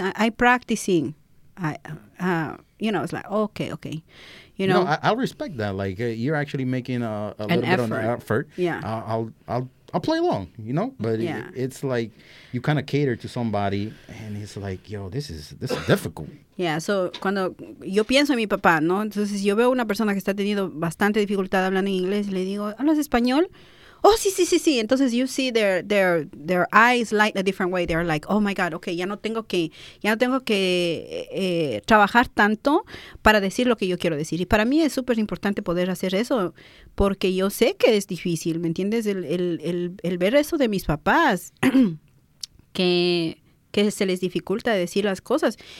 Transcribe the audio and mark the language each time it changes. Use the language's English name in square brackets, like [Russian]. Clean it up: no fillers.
[English] I'm practicing. You know, it's like, okay. You know, I'll respect that. Like, you're actually making a little bit of an effort. Yeah. I'll play along, you know? But yeah. It's like you kind of cater to somebody and it's like, yo, this is difficult. [Spanish] Yeah, so cuando yo pienso en mi papá, ¿no? Entonces yo veo una persona que está teniendo bastante dificultad hablando en inglés y le digo, ¿hablas español? Oh, sí. [English] Entonces you see their eyes light a different way. They're like, oh my God, okay, [Spanish] ya no tengo que trabajar tanto para decir lo que yo quiero decir. Y para mí es súper importante poder hacer eso porque yo sé que es difícil, ¿me entiendes? El ver eso de mis papás, que se les dificulta decir las cosas.